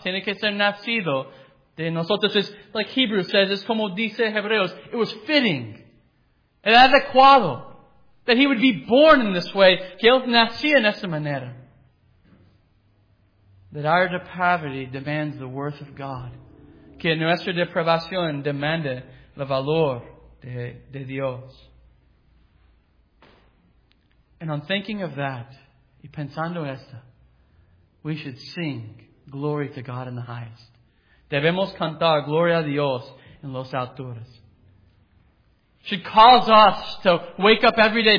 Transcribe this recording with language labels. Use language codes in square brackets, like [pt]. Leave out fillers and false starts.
[es] Tiene que ser nacido de nosotros. [en] It's like Hebrews says, it's [es] como dice Hebreos. [en] It was fitting. [es] Era adecuado. [en] That he would be born in this way. [es] Que él nacía en esta manera. [en] That our depravity demands the worth of God. [es] Que nuestra depravación demanda el valor de Dios. [en] And on thinking of that, [es] y pensando esto, [en] we should sing glory to God in the highest. [es] Debemos cantar gloria a Dios en los alturas. [en] Should cause us to wake up every day.